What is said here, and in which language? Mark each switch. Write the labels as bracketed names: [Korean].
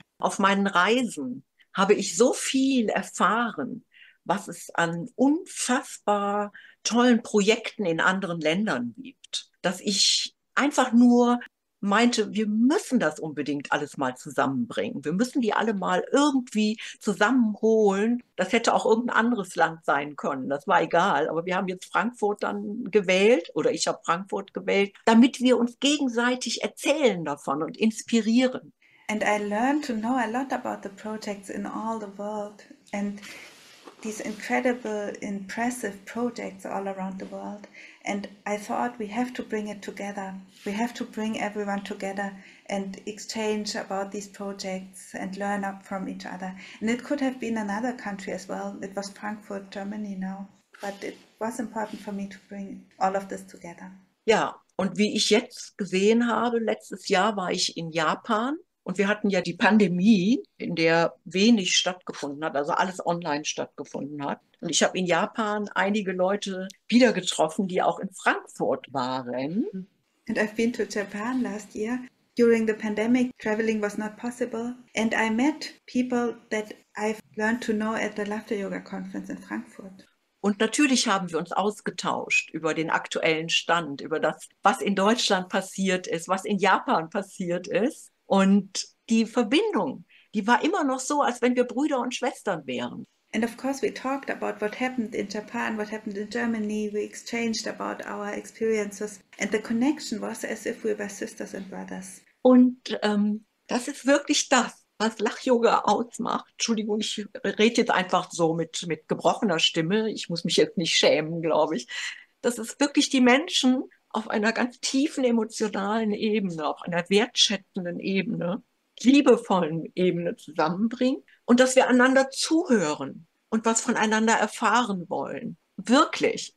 [German] Auf meinen Reisen habe ich so viel erfahren, was es an unfassbar tollen Projekten in anderen Ländern gibt, dass ich einfach nur meinte, wir müssen das unbedingt alles mal zusammenbringen. Wir müssen die alle mal irgendwie zusammenholen. Das hätte auch irgendein anderes Land sein können. Das war egal. Aber wir haben jetzt Frankfurt dann gewählt oder ich habe Frankfurt gewählt, damit wir uns gegenseitig erzählen davon und inspirieren. [English] And I learned to know a lot about the projects in all the world and these incredible, impressive projects all around the world. And I thought we have to bring it together. We have to bring everyone together and exchange about these projects and learn up from each other. And it could have been another country as well. It was Frankfurt, Germany now. But it was important for me to bring all of this together. [German] Ja, und wie ich jetzt gesehen habe, letztes Jahr war ich in Japan. Und wir hatten ja die Pandemie, in der wenig stattgefunden hat, also alles online stattgefunden hat. Und ich habe in Japan einige Leute wieder getroffen, die auch in Frankfurt waren. [English] And I've been to Japan last year. During the pandemic, traveling was not possible. And I met people that I've learned to know at the Laughter Yoga Conference in Frankfurt. [German] Und natürlich haben wir uns ausgetauscht über den aktuellen Stand, über das, was in Deutschland passiert ist, was in Japan passiert ist. Und die Verbindung, die war immer noch so, als wenn wir Brüder und Schwestern wären. [English] And of course we talked about what happened in Japan, what happened in Germany. We exchanged about our experiences. And the connection was as if we were sisters and brothers. [German] Und das ist wirklich das, Was Lach-Yoga ausmacht, Entschuldigung, ich rede jetzt einfach so mit gebrochener Stimme, ich muss mich jetzt nicht schämen, glaube ich, dass es wirklich die Menschen auf einer ganz tiefen emotionalen Ebene, auf einer wertschätzenden Ebene, liebevollen Ebene zusammenbringt und dass wir einander zuhören und was voneinander erfahren wollen. Wirklich.